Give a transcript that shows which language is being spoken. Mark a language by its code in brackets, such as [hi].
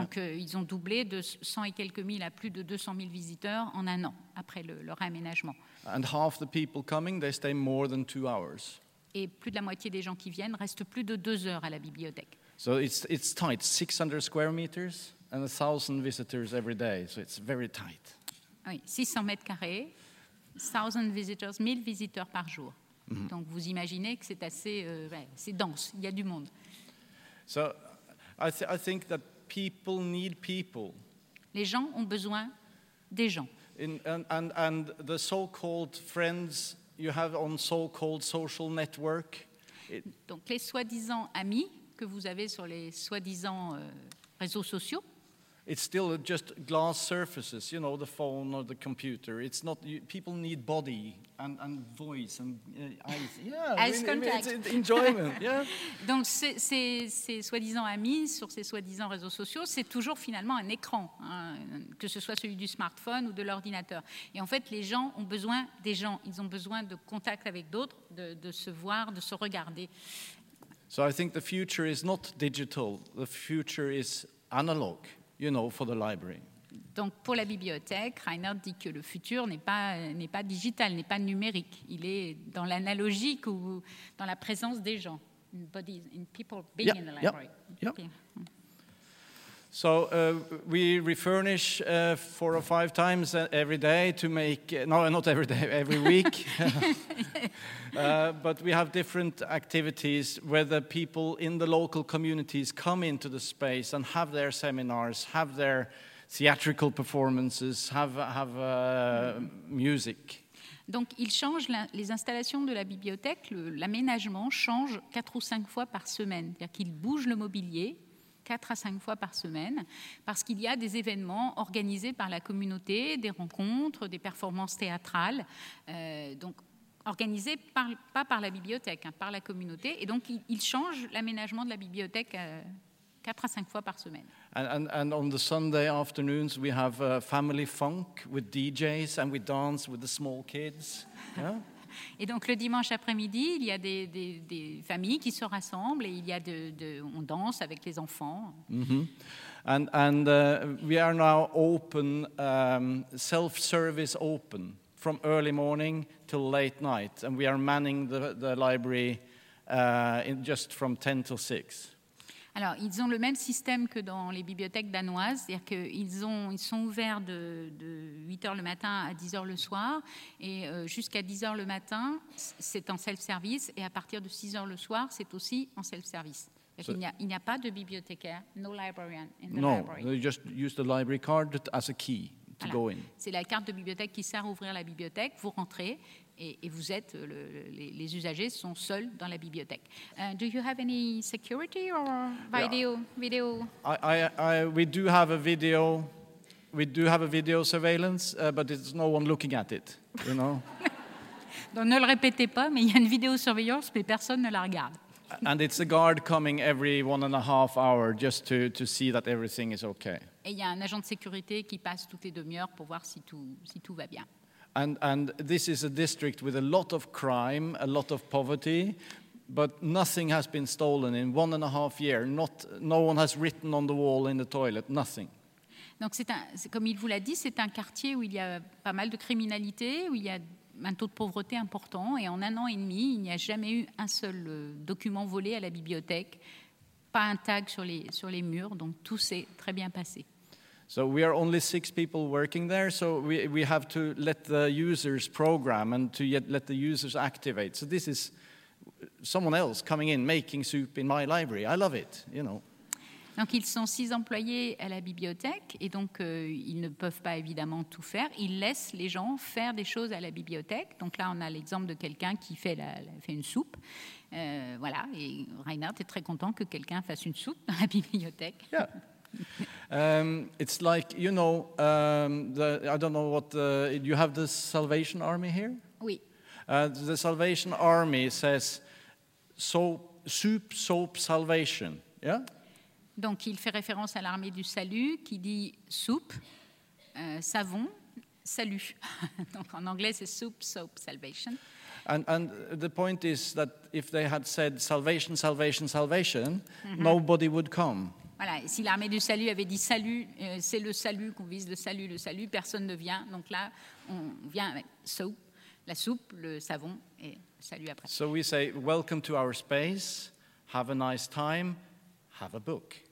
[fr] Donc ils ont doublé de 100 et quelques mille à plus de 200 000 visiteurs en un an après le réaménagement. [en] And half the people coming, they stay more than 2 hours. [fr] Et plus de la moitié des gens qui viennent restent plus de 2 heures à la bibliothèque. [en] So it's tight. 600 square meters and 1,000 visitors every day. So it's very tight. [fr] Oui, 600 mètres carrés, [en] 1,000 visitors, [fr] 1,000 visiteurs par jour. Mm-hmm. Donc vous imaginez que c'est assez c'est dense, il y a du monde. [en] So I think that people need people. [fr] Les gens ont besoin des gens. [en] And the so-called friends you have on so-called social network. [fr] Donc les soi-disant amis que vous avez sur les soi-disant réseaux sociaux. [en] It's still just glass surfaces, you know, the phone or the computer. It's not, people need body and voice and eyes. Yeah, eyes contact. It's enjoyment, yeah. [fr] Donc ces soi-disant amis sur ces soi-disant réseaux sociaux, c'est toujours finalement un écran, hein, que ce soit celui du smartphone ou de l'ordinateur. Et en fait, les gens ont besoin des gens. Ils ont besoin de contact avec d'autres, de se voir, de se regarder. [en] So I think the future is not digital. The future is analog. You know, for the library. [fr] Donc pour la bibliothèque, Reinhard dit que le futur n'est pas digital, n'est pas numérique. Il est dans l'analogique ou dans la présence des gens. [en] In bodies, in people being, yeah, in the library. Yeah. So we refurnish 4 or 5 times every day to make, no, not every day, every week. but we have different activities where the people in the local communities come into the space and have their seminars, have their theatrical performances, have music. [fr] Donc il change les installations de la bibliothèque, l'aménagement change 4 ou 5 fois par semaine, c'est-à-dire qu'il bouge le mobilier 4 à 5 fois par semaine, parce qu'il y a des événements organisés par la communauté, des rencontres, des performances théâtrales, donc organisées pas par la bibliothèque, hein, par la communauté, et donc il change l'aménagement de la bibliothèque 4 à 5 fois par semaine. [en] And on the Sunday afternoons, we have a family funk with DJs and we dance with the small kids. Yeah? [fr] Et donc le dimanche après-midi, il y a des familles qui se rassemblent et il y a on danse avec les enfants. [en] Mm-hmm. And we are now open, self-service open, from early morning till late night. And we are manning the library in just from 10 till 6. [fr] Alors, ils ont le même système que dans les bibliothèques danoises, c'est-à-dire qu'ils sont ouverts de 8h le matin à 10h le soir, et jusqu'à 10h le matin, c'est en self-service, et à partir de 6h le soir, c'est aussi en self-service. Il n'y a pas de bibliothécaire, [en] no librarian in the no, library. No, they just use the library card as a key to [fr] voilà. [en] go in. [fr] C'est la carte de bibliothèque qui sert à ouvrir la bibliothèque, vous rentrez, et vous êtes les usagers sont seuls dans la bibliothèque. [en] Do you have any security or video? Yeah. Video? We do have a video surveillance, but there's no one looking at it. You know. [fr] Donc ne le répétez pas, mais il y a une vidéosurveillance, mais personne ne la regarde. [en] And it's a guard coming every 1.5 hours just to see that everything is okay. [fr] Et il y a un agent de sécurité qui passe toutes les demi-heures pour voir si tout va bien. [en] And this is a district with a lot of crime, a lot of poverty, but nothing has been stolen in 1.5 years. No one has written on the wall in the toilet, nothing. [fr] Donc comme il vous l'a dit, c'est un quartier où il y a pas mal de criminalité, où il y a un taux de pauvreté important, et en 1 an et demi, il n'y a jamais eu un seul document volé à la bibliothèque, pas un tag sur les murs, donc tout s'est très bien passé. [en] So we are only 6 people working there, so we have to let the users program and to let the users activate. So this is someone else coming in making soup in my library. I love it, you know. [fr] Donc ils sont 6 employés à la bibliothèque et donc ils ne peuvent pas évidemment tout faire. Ils laissent les gens faire des choses à la bibliothèque. Donc là on a l'exemple de quelqu'un qui fait une soupe. Voilà, et Reinhard est très content que quelqu'un fasse une soupe dans la bibliothèque. [en] Yeah. It's like, you know, I don't know what, you have the Salvation Army here? [fr] Oui. [en] The Salvation Army says, soup, salvation, yeah? [fr] Donc il fait référence à l'armée du salut qui dit soupe, savon, salut. Donc en anglais c'est [en] soup, soap, salvation. And the point is that if they had said salvation, mm-hmm. nobody would come. [fr] Voilà, si l'armée du salut avait dit salut, c'est le salut qu'on vise, le salut, personne ne vient. Donc là, on vient avec soap, la soupe, le savon et salut après. [en] So we say, welcome to our space, have a nice time, have a book.